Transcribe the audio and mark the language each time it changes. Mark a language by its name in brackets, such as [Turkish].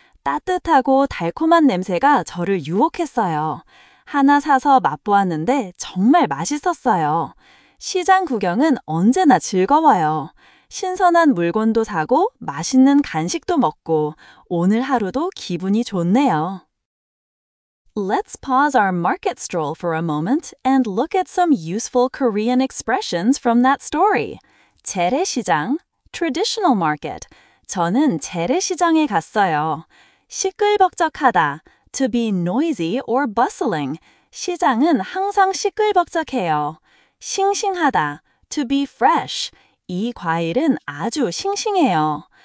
[Korean] 따뜻하고 달콤한 냄새가 저를 유혹했어요. 하나 사서 맛보았는데 정말 맛있었어요. 시장 구경은 언제나 즐거워요. 신선한 물건도 사고 맛있는 간식도 먹고 오늘 하루도 기분이 좋네요. [English] Let's pause our market stroll for a moment and look at some useful Korean expressions from that story. [Korean] 재래시장, [English] traditional market. [Korean] 저는 재래시장에 갔어요. 시끌벅적하다, [English] to be noisy or bustling. [Korean] 시장은 항상 시끌벅적해요. 싱싱하다, [English] to be fresh. [Korean] 이 과일은 아주 싱싱해요.